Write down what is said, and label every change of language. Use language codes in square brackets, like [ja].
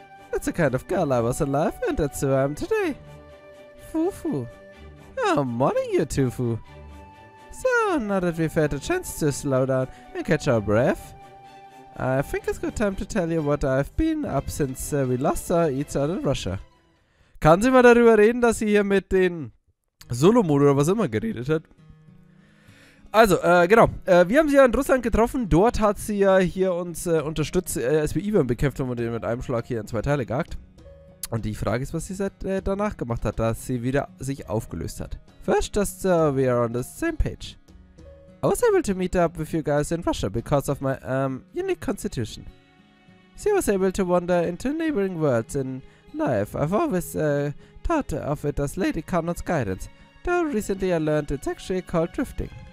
[en] That's the kind of girl I was in life, and that's who I am today. Foo-foo. Oh, morning, you two-foo. So, now that we've had a chance to slow down and catch our breath, I think it's good time to tell you what I've been up since we last saw each other in Russia. [de] Kann sie mal darüber reden, dass sie hier mit den Solomon oder was immer geredet hat? Also, genau. Wir haben sie ja in Russland getroffen. Dort hat sie ja hier uns unterstützt, als wir Ivan bekämpft haben und ihn mit einem Schlag hier in zwei Teile gehackt. Und die Frage ist, was sie seit danach gemacht hat, dass sie wieder sich aufgelöst hat. [en] First, just we are on the same page. I was able to meet up with you guys in Russia because of my unique constitution. So I was able to wander into neighboring worlds in life. I've always thought of it as Lady Kanon's guidance, though recently I learned it's actually called drifting.